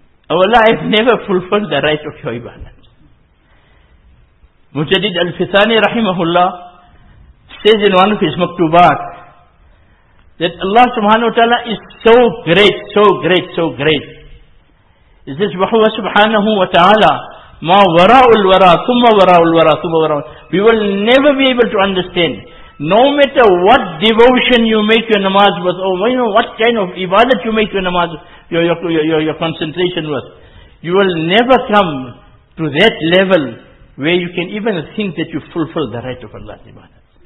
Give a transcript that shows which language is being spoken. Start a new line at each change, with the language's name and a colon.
English: Oh Allah, I've never fulfilled the right of your ibadat. Mujaddid al-Fithani rahimahullah says in one of his maktubat that Allah subhanahu wa ta'ala is so great, so great, so great. It says,
Arabic: وَهُوَ سُبْحَانَهُ وَتَعَالَى مَا وَرَاءُ الْوَرَىٰ ثُمَّ وَرَاءُ الْوَرَىٰ ثُمَّ وَرَاءُ.
English: We will never be able to understand. No matter what devotion you make your namaz with, or you know, what kind of ibadat you make your namaz, your concentration with, you will never come to that level where you can even think that you fulfill the right of Allah's ibadat.